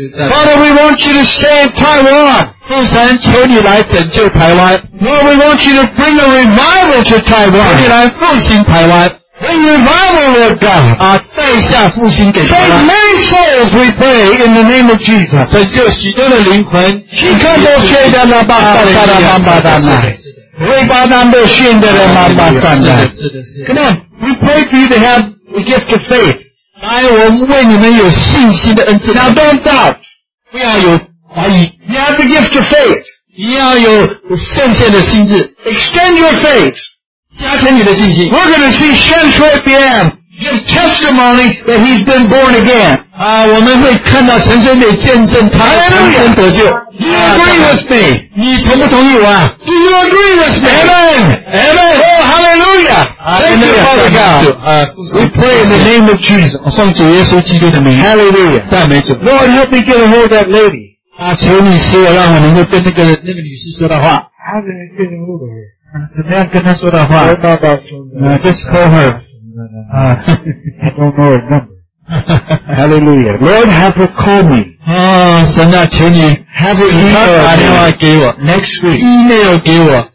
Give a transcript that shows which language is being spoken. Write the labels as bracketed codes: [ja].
[en] Father, we want you to save Taiwan. [zh] 父神，求你来拯救台湾。 [en] Lord, we want you to bring a revival to Taiwan. [zh] 求你来复兴台湾。 [en] Bring revival, Lord God. [zh] 啊，带下复兴给台湾。 [en] Save many souls, we pray in the name of Jesus. [zh] 拯救许多的灵魂。希克多谢达拉巴达拉巴达拉巴达拉。维巴南贝逊的拉巴巴善的。 [en] Come on, we pray for you to have a gift of faith. [zh] 来，我们为你们有信心的恩赐。 [en] Now don't doubt， [zh] 不要有怀疑。 [en] You have the gift of faith， [zh] 你要有圣洁的心智。 [en] Extend your faith， [zh] 加添你的信心。 [en] We're going to see Shen Shui Bian give testimony that he's been born again。 [zh] 啊，我们会看到陈水扁见证他的重生得救。 [en] Do you agree with me？ [zh] 你同不同意我啊 [en] ？Do you agree with me？ Amen。 Amen。 Oh, hallelujah。 Thank you, Father God. We pray in the name of Jesus. Hallelujah. [zh] 赞美主。 [en] Lord, help me get a hold of that lady. [zh] 求你使我让我能够跟那个女士说的话。 [en] How can I get a hold of her? [zh] 怎么样跟她说的话 [en] ？Don't know about someone. Just call her. I don't know her number. Hallelujah. Lord, have her call me. [zh] 神啊，求你 [en] have her email [zh] 打电话给我 [en] next week. [zh] Email 给我。